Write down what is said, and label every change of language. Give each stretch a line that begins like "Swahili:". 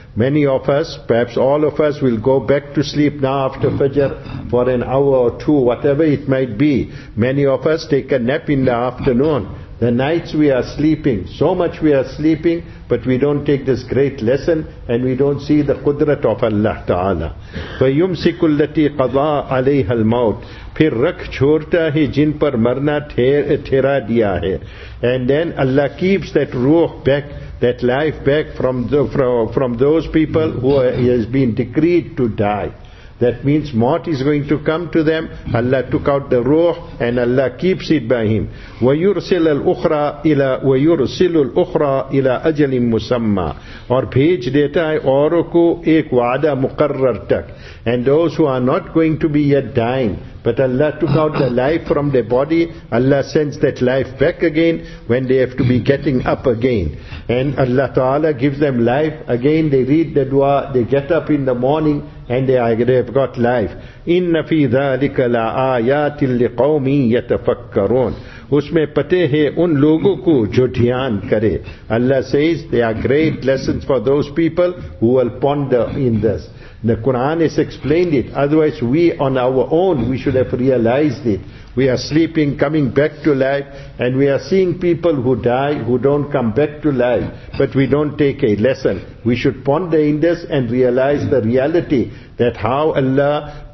English: Many of us, perhaps all of us, will go back to sleep now after Fajr for an hour or two, whatever it might be. Many of us take a nap in the afternoon. The nights we are sleeping, so much we are sleeping, but we don't take this great lesson, and we don't see the qudrat of Allah Ta'ala.
Arabic: فَيُمْسِكُ الَّتِي قَضَى عَلَيْهَا الْمَوْتِ
Urdu: پھر رکھ چھوڑتا ہے جن پر مرنا ٹھہرا دیا ہے.
English: And then Allah keeps that ruh back, that life back from those people who has been decreed to die. That means maut is going to come to them. Allah took out the ruh, and Allah keeps it by him.
Arabic: وَيُرْسِلُ الْأُخْرَى إِلَىٰ أَجَلٍ مُسَمَّى.
Urdu: اور بھیج دیتا ہے اوروں کو ایک وعدہ مقرر تک.
English: And those who are not going to be yet dying, but Allah took out the life from their body, Allah sends that life back again when they have to be getting up again. And Allah Ta'ala gives them life again. They read the dua, they get up in the morning, and they have got life.
Arabic: إِنَّ فِي ذَلِكَ لَا آيَاتٍ لِقَوْمٍ يَتَفَكَّرُونَ.
Urdu: اس میں پتے ہیں ان لوگوں کو جو دھیان کرے.
English: Allah says they are great lessons for those people who will ponder in this. The Quran has explained it. Otherwise, we on our own, we should have realized it. We are sleeping, coming back to life, and we are seeing people who die, who don't come back to life, but we don't take a lesson. We should ponder in this and realize the reality that how Allah